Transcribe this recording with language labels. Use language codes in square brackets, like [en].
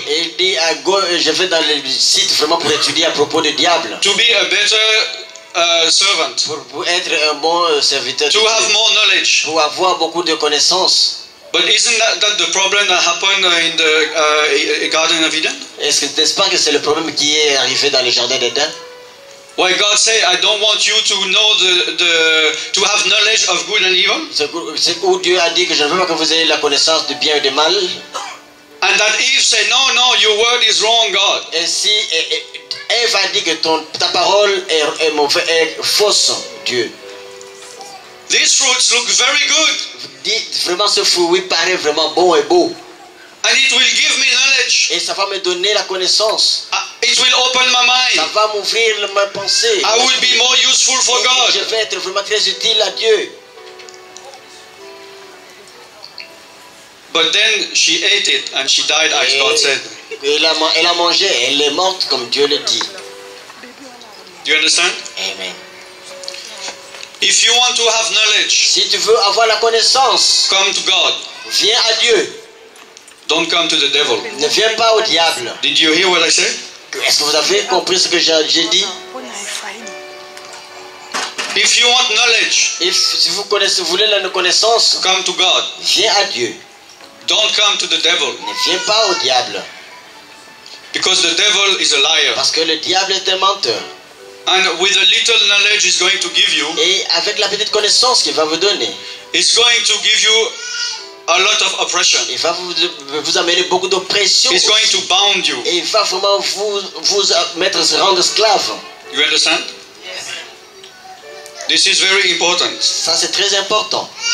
[fr] Il dit, je vais dans les sites vraiment pour étudier à propos du diable. [en] To be a better servant. [fr] Pour être un bon serviteur. [en] To have more knowledge. [fr] Pour avoir beaucoup de connaissances. [en] But isn't that the problem that happened in the Garden of Eden? [fr] Est-ce que n'est-ce pas que c'est le problème qui est arrivé dans le jardin d'Eden? [en] Why God say I don't want you to know to have knowledge of good and evil? [fr] C'est où Dieu a dit que je ne veux pas que vous ayez la connaissance du bien et du mal. [en] And that Eve say no, your word is wrong, God. [fr] Et si Eve a dit que ta parole est mauvaise, est fausse, Dieu. [en] These fruits look very good. [fr] Dites vraiment ce fruit oui paraît vraiment bon et beau. [en] And it will give me knowledge. [fr] Et ça va me donner la connaissance. [en] It will open my mind. [fr] Ça va m'ouvrir ma pensée. [en] I will be more useful for God. [fr] Je vais être vraiment très utile à Dieu. [en] But then she ate it and she died as God said. [fr] Elle a mangé, elle est morte comme Dieu le dit. [en] Do you understand? Amen. If you want to have knowledge, [fr] si tu veux avoir la connaissance, [en] come to God. [fr] Viens à Dieu. [en] Don't come to the devil. [fr] Ne viens pas au diable. [en] Did you hear what I said? [fr] Est-ce que vous avez compris ce que j'ai dit? [en] If you want knowledge, [fr] si vous connaissez, vous voulez la connaissance, [en] come to God. [fr] Viens à Dieu. [en] Don't come to the devil. [fr] Ne viens pas au diable. [en] Because the devil is a liar. [fr] Parce que le diable est un menteur. [en] And with a little knowledge he's going to give you, [fr] et avec la petite connaissance qu'il va vous donner, [en] he's going to give you a lot of oppression. [fr] Il va vous amener beaucoup d'oppression. [en] He's going to bound you. [fr] Et il va vraiment vous mettre, rendre esclave. [en] You understand? Yes. This is very important. [fr] Ça c'est très important.